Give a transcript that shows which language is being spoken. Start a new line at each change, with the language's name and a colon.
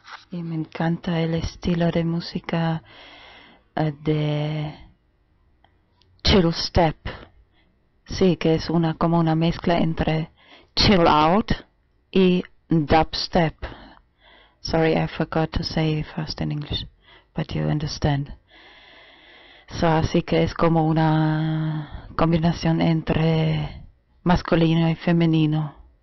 Spanish: Y me encanta el estilo de música de chill step. Sí, que es como una mezcla entre chill out y dubstep.
English: Sorry, I forgot to say it first in English, but you understand.
Spanish: So, así que es como una combinación entre masculino y femenino.